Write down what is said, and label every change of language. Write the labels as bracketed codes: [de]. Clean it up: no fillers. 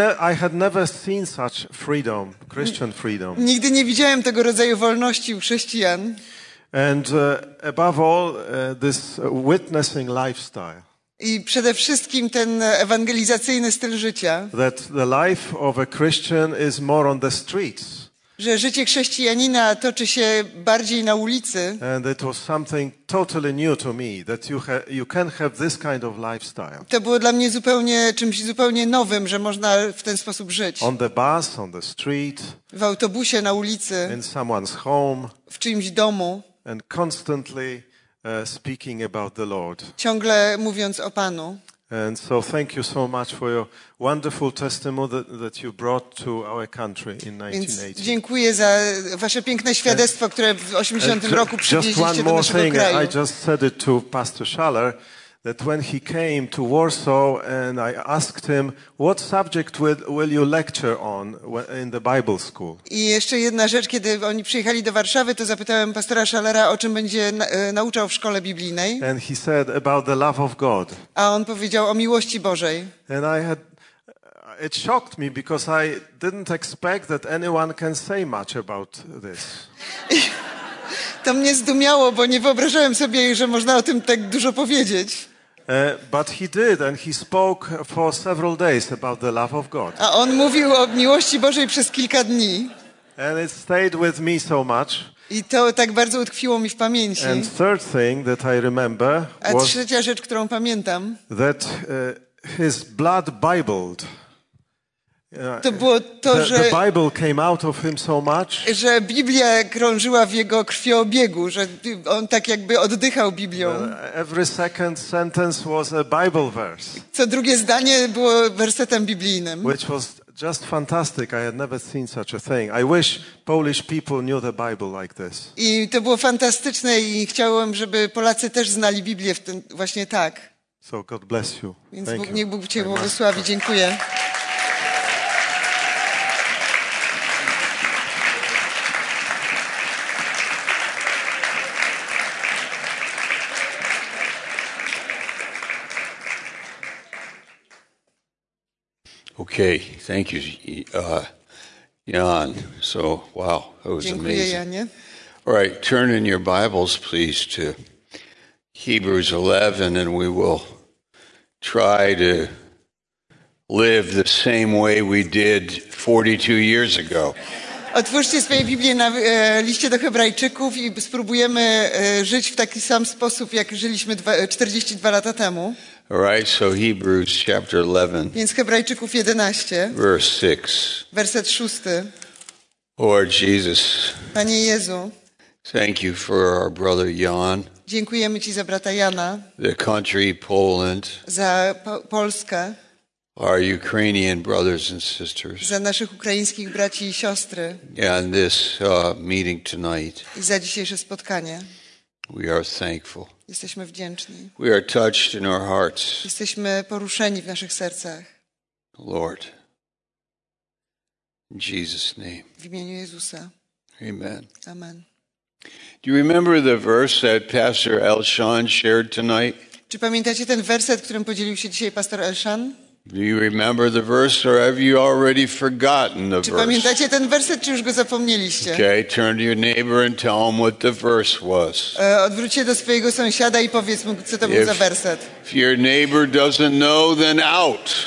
[en] I had never seen such freedom, Christian freedom. [pl] Nigdy nie widziałem tego rodzaju wolności u chrześcijan. [en] And above all, this witnessing lifestyle. [pl] I przede wszystkim ten ewangelizacyjny styl życia. [en] That the life of a Christian is more on the streets. [pl] Że życie chrześcijanina toczy się bardziej na ulicy. [en] And it was something totally new to me that you can have this kind of lifestyle. [pl] To było dla mnie czymś zupełnie nowym, że można w ten sposób żyć. [en] On the bus, on the street. [pl] W autobusie, na ulicy. [en] In someone's home. [pl] W czyimś domu. [en] And constantly speaking about the Lord. [pl] Ciągle mówiąc o Panu. [en] And so thank you so much for your wonderful testimony that you brought to our country in 1980. [pl] Więc dziękuję za wasze piękne świadectwo, które w 80 roku przywieźliście do naszego kraju. [en] Just one more thing, I just said it to Pastor Schaller, that when he came to Warsaw and I asked him, what subject will you lecture on in the Bible school? [pl] I jeszcze jedna rzecz, kiedy oni przyjechali do Warszawy, to zapytałem pastora Schallera, o czym będzie nauczał w szkole biblijnej. [en] And he said, about the love of God. [pl] A on powiedział o miłości Bożej. [en] And it shocked me because I didn't expect that anyone can say much about this. [pl] To mnie zdumiało, bo nie wyobrażałem sobie, że można o tym tak dużo powiedzieć. [en] But he did, and he spoke for several days about the love of God. [pl] A on mówił o miłości Bożej przez kilka dni. [en] And it stayed with me so much. [pl] I to tak bardzo utkwiło mi w pamięci. [en] And third thing that I remember was. [pl] A trzecia rzecz, którą pamiętam. [en] That his blood bibled. [pl] To było to, [en] the Bible came out of him so much. [pl] Że Biblia krążyła w jego krwiobiegu, że on tak jakby oddychał Biblią. [en] Every second sentence was a Bible verse. [pl] Co drugie zdanie było wersetem biblijnym. [en] Which was just fantastic. I had never seen such a thing. I wish Polish people knew the Bible like this. [pl] I to było fantastyczne i chciałem, żeby Polacy też znali Biblię w ten, właśnie tak. [en] So God bless you. [pl] Więc Bóg, niech Bóg Cię błogosławi. Dziękuję. [en] Okay, thank you, Jan. So, wow, that was [pl] Dziękuję, [en] amazing. [pl] Janie. [en] All right, turn in your Bibles, please, to Hebrews 11, and we will try to live the same way we did 42 years ago. [pl] Otwórzcie swoje Biblię na liście do Hebrajczyków i spróbujemy żyć w taki sam sposób, jak żyliśmy 42 lata temu. [en] All right, so Hebrews chapter 11. [pl] Więc Hebrajczyków 11. [en] Verse 6. [pl] Werset 6. [en] Lord Jesus. [pl] Panie Jezu. [en] Thank you for our brother Jan. [pl] Dziękujemy Ci za brata Jana. [en] The country Poland. [pl] Za Polskę. [en] Our Ukrainian brothers and sisters. [pl] Za naszych ukraińskich braci i siostry. [en] And this meeting tonight. [pl] I za dzisiejsze spotkanie. [en] We are thankful. [pl] Jesteśmy wdzięczni. [en] We are touched in our hearts. [pl] Jesteśmy poruszeni w naszych sercach. [en] Lord, in Jesus' name. [pl] W imieniu Jezusa. [en] Amen. [pl] Amen. [en] Do you remember the verse that Pastor Elshan shared tonight? [pl] Czy pamiętacie ten werset, którym podzielił się dzisiaj Pastor Elshan? [en] Do you remember the verse, or have you already forgotten the verse? [pl] Czy pamiętacie ten werset, czy już go zapomnieliście? [en] Okay, turn to your neighbor and tell him what the verse was. [pl] Odwróć się do swojego sąsiada i powiedz mu, co to był za werset. [en] If your neighbor doesn't know, then out.